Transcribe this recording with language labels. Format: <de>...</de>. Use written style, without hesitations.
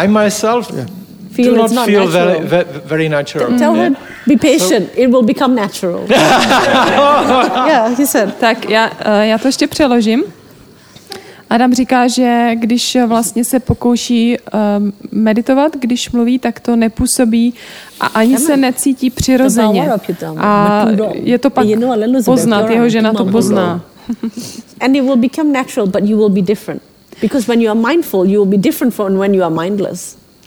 <en>I myself feel do not feel not very, very very natural. Tell her be patient, so it will become natural. Yeah, he said.</en> <cs>Tak já to ještě přeložím. Adam říká, že když vlastně se pokouší meditovat, když mluví, tak to nepůsobí a ani se necítí přirozeně. A je to pak poznat, jeho žena to pozná.</cs> <en>And it will become natural, but you will be different. Because when you are mindful, you will be different from when you are mindless.</en>